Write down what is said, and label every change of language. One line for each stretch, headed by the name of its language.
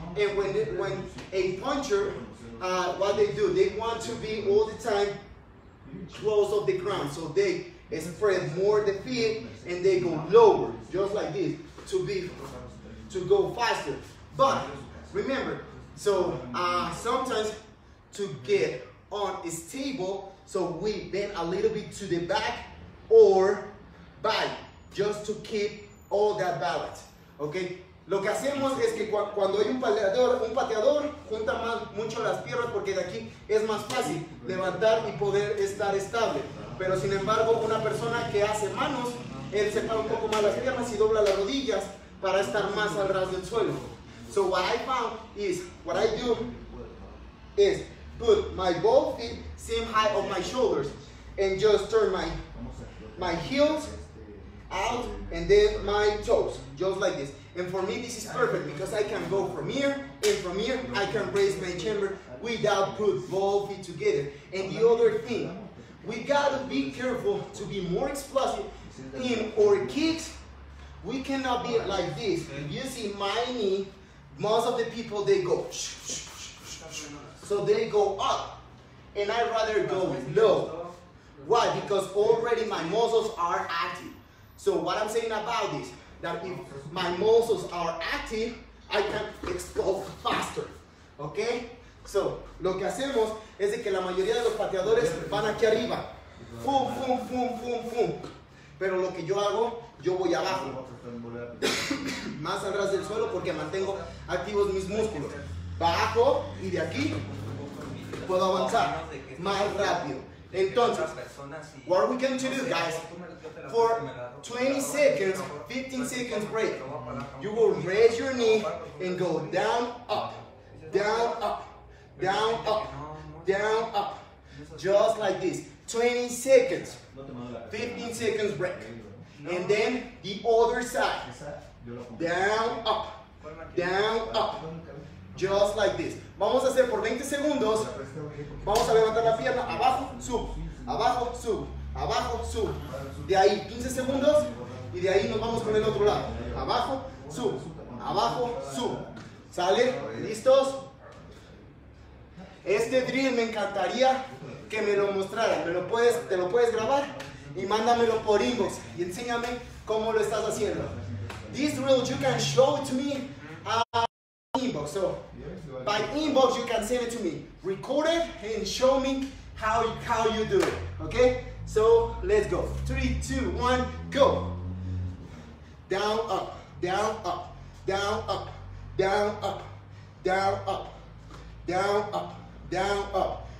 English: And when a puncher, what they do, they want to be all the time close of the ground, so they spread more the feet and they go lower, just like this, to go faster. But remember, so sometimes to get on is stable, so we bend a little bit to the back or back, just to keep all that balance, okay?
Spanish: Lo que hacemos es que cuando hay un pateador, junta más, mucho las piernas, porque de aquí es más fácil levantar y poder estar estable. Pero sin embargo, una persona que hace manos, él separa un poco más las piernas y dobla las rodillas para estar más al ras del suelo.
English: So what I found is, what I do is put my both feet same height of my shoulders and just turn my heels out and then my toes, just like this. And for me, this is perfect because I can go from here, and from here, I can raise my chamber without put both feet together. And the other thing, we gotta be careful to be more explosive in our kicks. We cannot be like this. You see my knee, most of the people, they go. So they go up, and I'd rather go low. Why? Because already my muscles are active. So what I'm saying about this, that if my muscles are active, I can explode faster, okay?
Spanish: So, lo que hacemos es de que la mayoría de los pateadores van aquí arriba. Fum, fum, fum, fum, fum. Pero lo que yo hago, yo voy abajo. Más al ras del suelo porque mantengo activos mis músculos. Bajo y de aquí puedo avanzar más rápido.
English: Entonces, what are we going to do, guys? For 20 seconds, 15 seconds break, you will raise your knee and go down, up, down, up, down, up, down, up, just like this. 20 seconds, 15 seconds break. And then the other side, down, up, down, up, just like this.
Spanish: Vamos a hacer por 20 segundos. Vamos a levantar la pierna, abajo, sub, abajo, sub, abajo, sub. De ahí 15 segundos y de ahí nos vamos con el otro lado. Abajo, sub, abajo, sub. ¿Sale? ¿Listos? Este drill me encantaría que me lo mostraran. Te lo puedes grabar y mándamelo por inbox y enséñame cómo lo estás haciendo.
English: This drill, you can show it to me inbox. So, by inbox, you can send it to me. Record it and show me how you do it, okay? So let's go. 3, 2, 1, go. Down, up, down, up, down, up, down, up, down, up, down, up, down, up.